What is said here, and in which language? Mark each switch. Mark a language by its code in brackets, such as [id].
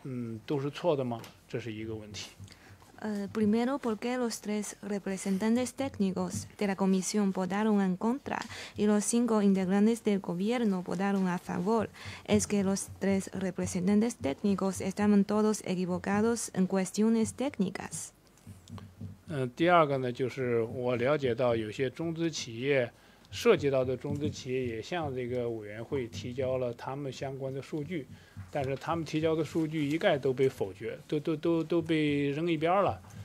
[zh] 这个三个技术界的代表，对这个认定是不认可的，但是呢，五个政府部门的代表，都认可。这个说明这个技术官员、技术代表，都是错的吗？这是一个问题。 [es] Primero, ¿por qué los tres representantes técnicos de la comisión votaron en contra y los cinco integrantes del gobierno votaron a favor? ¿Es que los tres representantes técnicos estaban todos equivocados en cuestiones técnicas? [zh] 第二个呢，就是我了解到有些中资企业涉及到的中资企业也向这个委员会提交了他们相关的数据，但是他们提交的数据一概都被否决，都被扔一边了。